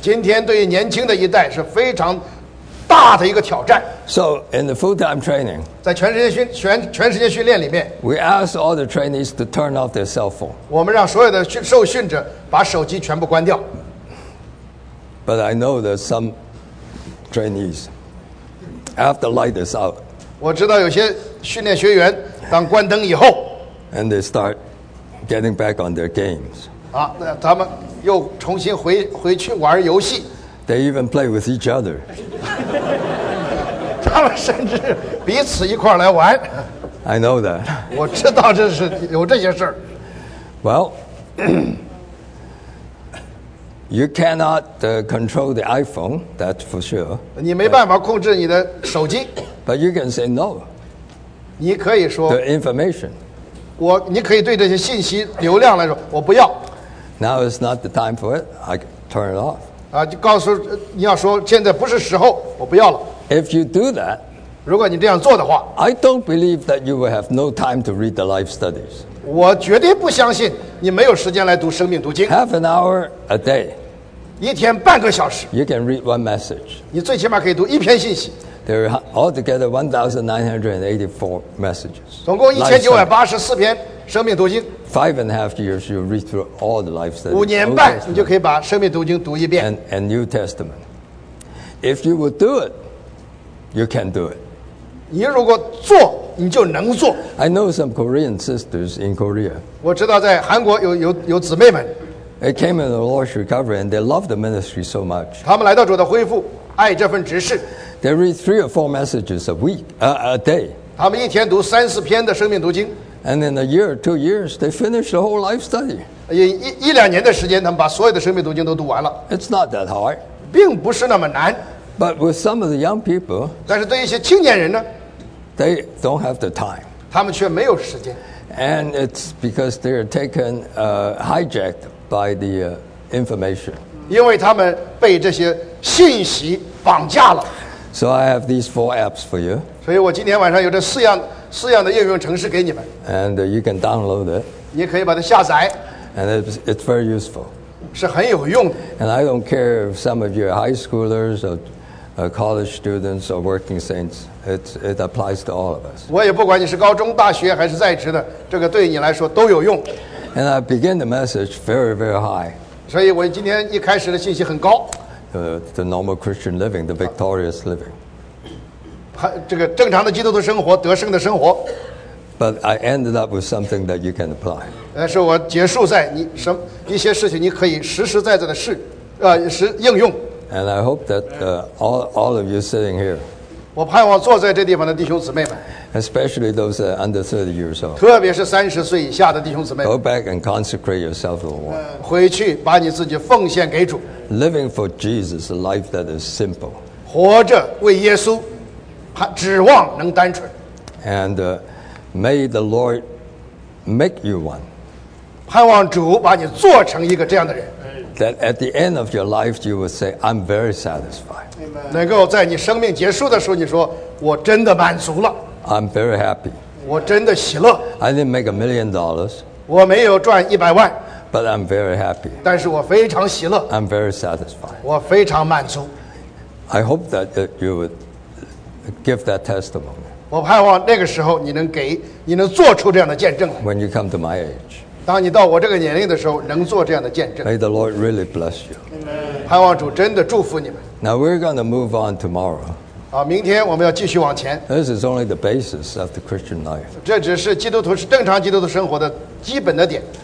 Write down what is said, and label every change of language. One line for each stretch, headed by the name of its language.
Chinese: 今天对于年轻的一代是非常。大的一个挑战。
English: So in the full-time training,
Chinese: 在全世界训练里面
English: ，we ask all the trainees to turn off their cell phone.
Chinese: 我们让所有的受训者把手机全部关掉。
English: But I know that some trainees after light is out.
Chinese: 我知道有些训练学员当关灯以后
English: ，and they start getting back on their games.
Chinese: 那他们又重新回去玩游戏。
English: They even play with each other.
Chinese: 他们甚至彼此一块来玩。
English: I know that.
Chinese: 我知道这是有这些事儿。
English: Well, you cannot control the iPhone. That's for sure.
Chinese: 你没办法控制你的手机。
English: But you can say no.
Chinese: 你可以说。
English: The information.
Chinese: 你可以对这些信息流量来说，我不要。
English: Now is not the time for it. I turn it off.
Chinese: 就告诉你要说现在不是时候，我不要了。
English: If you do that,
Chinese: 如果你这样做的话
English: ，I don't believe that you will have no time to read the life studies.
Chinese: 我绝对不相信你没有时间来读生命读经。
English: Half an hour a day,
Chinese: 一天半个小时。
English: You can read one message.
Chinese: 你最起码可以读一篇信息。
English: There are altogether 1,984 messages.
Chinese: 总共1984篇生命读经。
English: Five and a half years, you read through all the life studies.
Chinese: 五年半，你就可以把《生命读经》读一遍。
English: And New Testament. If you will do it, you can do it.
Chinese: 你如果做，你就能做。
English: I know some Korean sisters in Korea.
Chinese: 我知道在韩国有姊妹们。
English: They came in the Lord's recovery, and they love the ministry so much.
Chinese: 他们来到主的恢复，爱这份职事。
English: They read three or four messages a week, a day.
Chinese: 他们一天读三四篇的《生命读经》。
English: And in a year, 2 years, they finish the whole life study.
Chinese: 一两年的时间，他们把所有的生命读经都读完了。
English: It's not that hard.
Chinese: 并不是那么难。
English: But with some of the young people,
Chinese: 但是对一些青年人呢
English: ，they don't have the time.
Chinese: 他们却没有时间。
English: And it's because they're taken hijacked by the information.
Chinese: 因为他们被这些信息绑架了。
English: So I have these four apps for you.
Chinese: 所以我今天晚上有这四样的应用程式给你们。
English: And you can download it.
Chinese: 你可以把它下载。
English: And it's very useful.
Chinese: 是很有用的。
English: And I don't care if some of you are high schoolers or college students or working saints. It applies to all of us.
Chinese: 我也不管你是高中、大学还是在职的，这个对你来说都有用。
English: And I begin the message very, very high.
Chinese: 所以我今天一开始的信息很高。
English: The normal Christian living, the victorious living.
Chinese: 这个正常的基督徒生活，得胜的生活。
English: But I ended up with something that you can apply.
Chinese: 是我结束在你什么一些事情，你可以实实在在的试，实应用。
English: And I hope that all of you sitting here.
Chinese: 我盼望坐在这地方的弟兄姊妹们。
English: especially those under 30 years old.
Chinese: 特别是三十岁以下的弟兄姊妹。
English: Go back and consecrate yourself to the Lord.
Chinese: 回去把你自己奉献给主。
English: Living for Jesus, a life that is simple.
Chinese: 活着为耶稣，指望能单纯。
English: And may the Lord make you one.
Chinese: 盼望主把你做成一个这样的人。
English: That at the end of your life, you will say, "I'm very satisfied."
Chinese: 能够在你生命结束的时候，你说我真的满足了。
English: I'm very happy.
Chinese: 我真的喜乐。
English: I didn't make $1 million.
Chinese: 我没有赚一百万。
English: But I'm very happy.
Chinese: 但是我非常喜乐。
English: I'm very satisfied.
Chinese: 我非常满足。
English: I hope that you would give that testimony.
Chinese: 我盼望那个时候你能给，你能做出这样的见证。
English: When you come to my age.
Chinese: 当你到我这个年龄的时候，能做这样的见证。
English: May the Lord really bless you.
Chinese: 盼望主真的祝福你们。
English: Now we're going to move on tomorrow.
Chinese: 啊，明天我们要继续往前。
English: This is only the basis of the Christian life.
Chinese: 这只是基督徒是正常基督徒生活的基本的点。